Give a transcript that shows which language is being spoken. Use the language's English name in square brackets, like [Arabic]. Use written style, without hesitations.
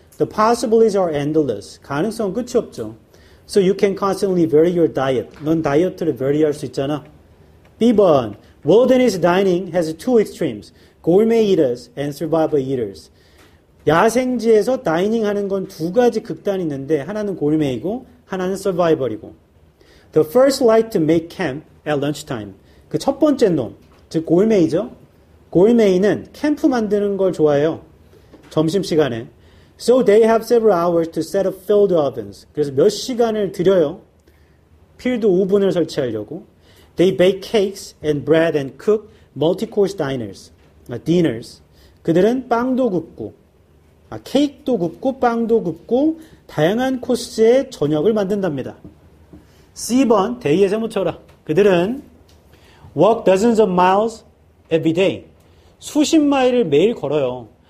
[English] The possibilities are endless. [Korean] 가능성은 끝이 없죠. [English] So you can constantly vary your diet. [Korean] 넌 다이어트를 vary 할 수 있잖아. B번. [English] Wilderness dining has two extremes. Gourmet eaters and survival eaters. [Korean] 야생지에서 다이닝 하는 건 두 가지 극단이 있는데 하나는 골메이고 하나는 서바이벌이고. [English] The first like to make camp at lunchtime. [Korean] 그 첫 번째 놈, 즉 골메이죠. 골메이는 캠프 만드는 걸 좋아해요. 점심시간에. [English] So they have several hours to set up field ovens. [Korean] 그래서 몇 시간을 들여요. 필드 오븐을 설치하려고. [English] They bake cakes and bread and cook multi-course dinners. [Korean] 그들은 빵도 굽고 케이크도 굽고 빵도 굽고 다양한 코스의 저녁을 만든답니다. C번 데이에 세모쳐라. 그들은 [English] walk dozens of miles every day. [Korean] 수십 마일을 매일 걸어요.